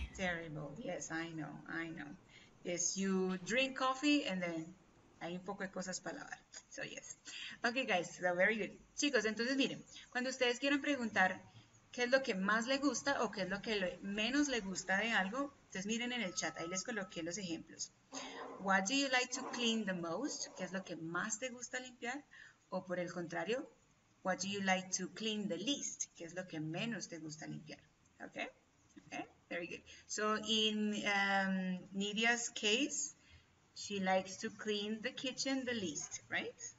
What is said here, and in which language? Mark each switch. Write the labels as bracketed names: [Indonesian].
[English] Terrible. Yes, I know. Yes, you drink coffee and then [Spanish] hay un poco de cosas para lavar. [English] So, yes. Okay, guys, so very good. [Spanish] Chicos, entonces miren, cuando ustedes quieran preguntar ¿Qué es lo que más le gusta o qué es lo que menos le gusta de algo? Entonces miren en el chat, ahí les coloqué los ejemplos. [English] What do you like to clean the most? [Spanish] ¿Qué es lo que más te gusta limpiar? O por el contrario, [English] what do you like to clean the least? [Spanish] ¿Qué es lo que menos te gusta limpiar? [English] Okay? Okay? Very good. So in Nidia's case, she likes to clean the kitchen the least, right?